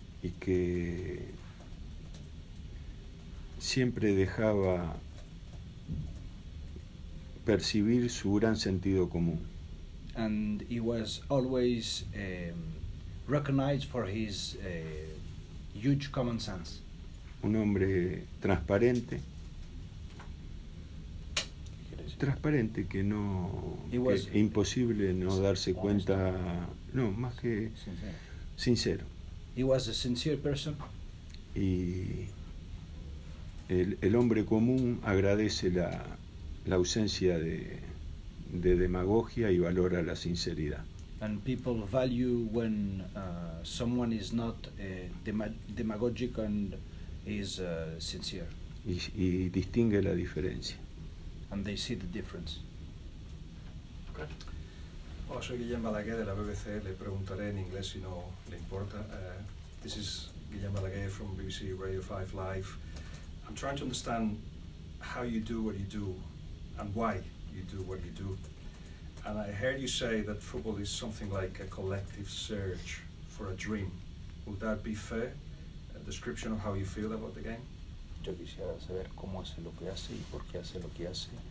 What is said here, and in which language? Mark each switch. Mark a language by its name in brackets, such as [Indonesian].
[Spanish] Y que siempre dejaba percibir su gran sentido común. [English] And he was always recognized for his huge common sense. [Spanish] Un hombre transparente. Transparente que no [English] was, [Spanish] que imposible no darse cuenta, no más que sincero. [English] He was a sincere person. [Spanish] Y el hombre común agradece la ausencia de demagogia y valora la sinceridad. [English] And people value when someone is not demagogic and is sincere. [Spanish] Y distingue la diferencia. [English] And they see the difference. [Spanish] Okay. Hola, soy Guillem Balaguer de la BBC. Le preguntaré en inglés si no le importa. [English] This is Guillem Balaguer from BBC Radio 5 Live. I'm trying to understand how you do what you do and why you do what you do. And I heard you say that football is something like a collective search for a dream. Would that be fair? A description of how you feel about the game? [Spanish] Yo quisiera saber cómo hace lo que hace y por qué hace lo que hace.